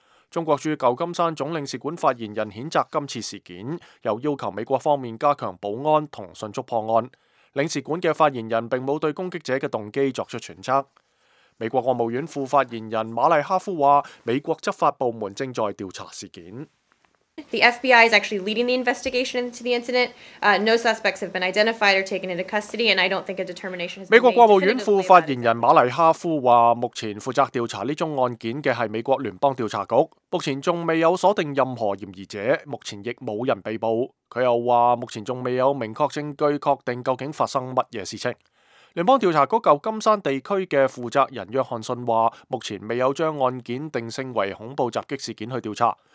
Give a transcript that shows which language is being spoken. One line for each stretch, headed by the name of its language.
Chinese: 中国驻旧金山总领事馆发言人谴责今次事件，又要求美国方面加强保安和迅速破案。领事馆的发言人并没有对攻击者的动机作出揣测。美国国务院副发言人马利哈夫说，美国执法部门正在调查事件。
English: The FBI is actually leading the investigation into the incident. No suspects have been identified or taken into custody, and I don't think a determination has been made.
Chinese: 美国国务院副发言人马丽哈夫说，目前负责调查这宗案件的是美国联邦调查局，目前还未有锁定任何嫌疑者，目前亦没有人被捕。他又说，目前还未有明确证据确定究竟发生什么事情。联邦调查局旧金山地区的负责人约翰逊说，目前未有将案件定性为恐怖袭击事件去调查。